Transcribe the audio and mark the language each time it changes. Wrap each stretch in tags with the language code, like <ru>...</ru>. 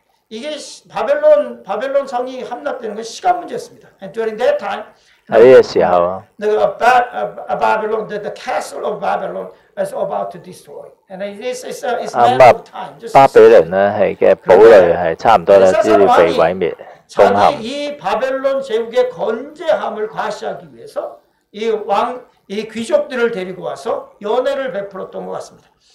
<ko>이게 바벨론 성이 함락되는 건 시간 문제였습니다.</ko> <en>And during that time,</en> <ko>아리에시아와</ko> <en>바벨론, the castle of Babylon is about to destroy. And it's a matter of time.</en> <yue>巴比倫咧係嘅堡壘係差唔多咧，都要被毀滅。</yue> <ko>이 바벨론 제국의 건재함을 과시하기 위해서 이 왕 이 귀족들을 데리고 와서 연회를 베풀었던 것 같습니다.</ko>